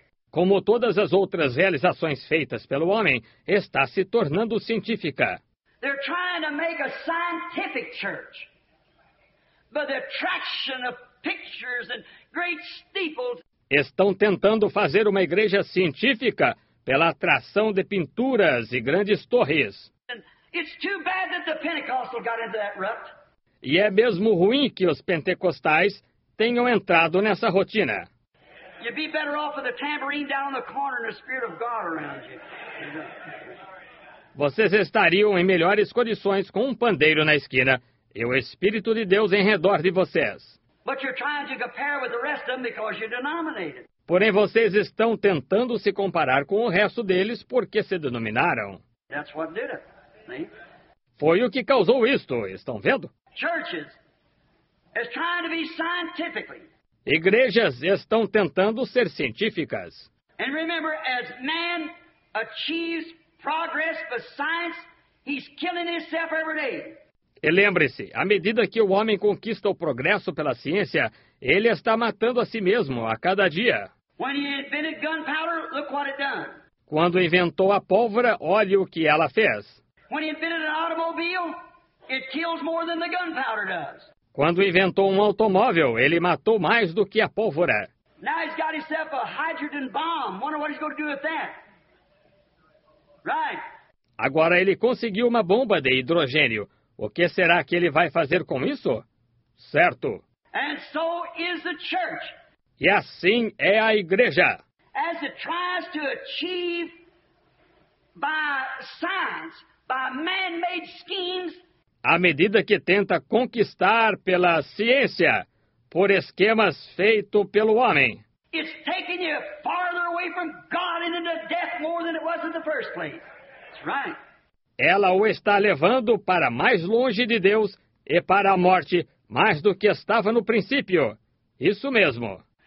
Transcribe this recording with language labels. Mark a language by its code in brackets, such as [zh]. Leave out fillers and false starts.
[pt] Como todas as outras realizações feitas pelo homem, está se tornando científica. [en] They're trying to make a scientific church. But the attraction of pictures and great steeples. [pt] Estão tentando fazer uma igreja científica pela atração de pinturas e grandes torres. [en] It's too bad that the Pentecostal got into that rut. [pt] E é mesmo ruim que os pentecostais tenham entrado nessa rotina. [en] You'd be better off with a tambourine down in the corner and the Spirit of God around you. [pt] Vocês estariam em melhores condições com um pandeiro na esquina e o Espírito de Deus em redor de vocês. [en] But you're trying to compare with the rest of them because you're denominated. [pt] Porém, vocês estão tentando se comparar com o resto deles porque se denominaram. [en] That's what did it. [pt] Foi o que causou isto, estão vendo? [en] Churches is trying to be scientifically. [pt] Igrejas estão tentando ser científicas. [en] E remember, as man achieves progress for science, he's killing himself every day. [pt] E lembre-se, à medida que o homem conquista o progresso pela ciência, ele está matando a si mesmo a cada dia. [en] When he invented gunpowder, look what it done. [pt] Quando inventou a pólvora, olhe o que ela fez. [en] When he invented an automobile, it kills more than the gunpowder does. [pt] Quando inventou um automóvel, ele matou mais do que a pólvora. [en] Now he's got himself a hydrogen bomb. Wonder what he's going to do with that. Right. [pt] Agora ele conseguiu uma bomba de hidrogênio. O que será que ele vai fazer com isso? Certo. [en] And so is the church. [pt] E assim é a igreja. [en] As it tries to achieve by science, by man-made schemes. [pt] À medida que tenta conquistar pela ciência, por esquemas feitos pelo homem. [en] It's taking you farther away from God and into death more than it was in the first place. That's right. [pt] Ela o está levando para mais longe de Deus e para a morte, mais do que estava no princípio. Isso mesmo.